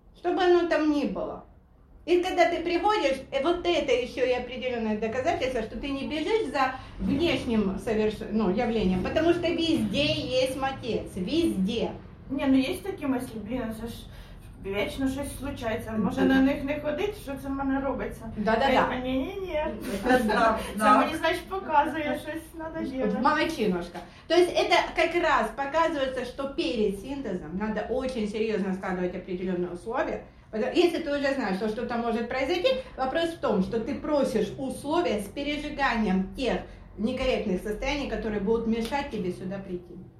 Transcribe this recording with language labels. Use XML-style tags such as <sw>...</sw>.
<ru>Что бы оно там ни было. И когда ты приходишь, и вот это еще и определенное доказательство, что ты не бежишь за внешним явлением, потому что везде есть мой отец. Везде. Не, ну есть такие мысли, блин, это ж вечно что-то случается. Может, на них не ходить, что</ru> <uk>це в мене робиться?</uk> <ru>Да-да-да.</ru> <uk>Ні-ні-ні. Це мені, значить, показує, щось</uk> <ru>надо делать. Молодчиношка. То есть это как раз показывается, что перед синтезом надо очень серьезно складывать определенные условия. Если ты уже знаешь, что что-то может произойти, вопрос в том, что ты просишь условия с пережиганием тех некорректных состояний, которые будут мешать тебе сюда прийти.</ru>